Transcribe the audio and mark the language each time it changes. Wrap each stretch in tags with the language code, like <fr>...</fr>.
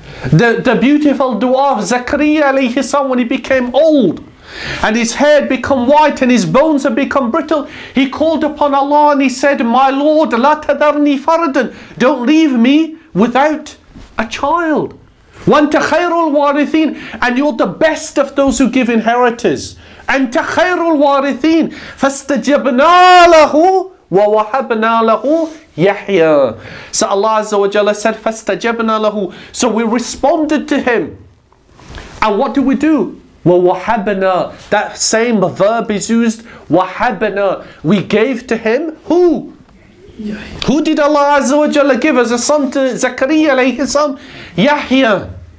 <en>The beautiful dua of Zakariya alayhi salam when he became old and his hair had become white and his bones had become brittle, he called upon Allah and he said, my Lord,</en> <ar>la tadharni faradan,</ar> <en>don't leave me without a child.</en> <ar>Wa anta khairul warithin,</ar> <en>and you're the best of those who give inheritors.</en> <ar>أنت خير الوارثين فاستجبنا له ووهبنا له يحيى.</ar> <en>So Allah Azza wa Jalla said,</en> <ar>فاستجبنا له.</ar> <en>So we responded to Him. And what do we do?</en> <ar>ووهبنا.</ar> <en>That same verb is used. ووهبنا. We gave to Him who? Yahya. Who did Allah Azza wa Jalla give as a son to Zakariya alayhi salam? Yahya.</en>